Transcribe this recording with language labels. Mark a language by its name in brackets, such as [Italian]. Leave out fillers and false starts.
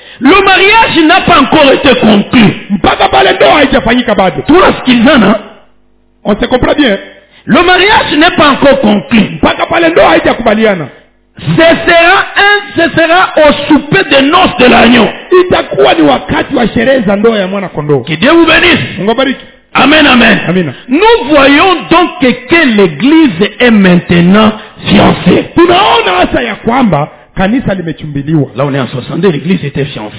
[French] Le mariage n'a pas encore été conclu. [Swahili] Mpaka pale ndoa haijafanyika bado. [French] Tu vois ce qu'il y en a? On se comprend bien. Le mariage n'est pas encore conclu. [Swahili] Mpaka pale ndoa haijakubaliana. [French] Ce sera au souper des noces de l'agneau. [Swahili] Itakuwa ni wakati wa sherehe za ndoa ya mwana kondoo. [French] Que Dieu vous bénisse. [Swahili] Mungu bariki. Amen, amen. Amina. [French] Nous voyons donc que l'église est maintenant fiancée. [Swahili] Tunaona hasa ya kwamba kanisa limechumbiliwa. [French] Là on est en 62, l'église était fiancée.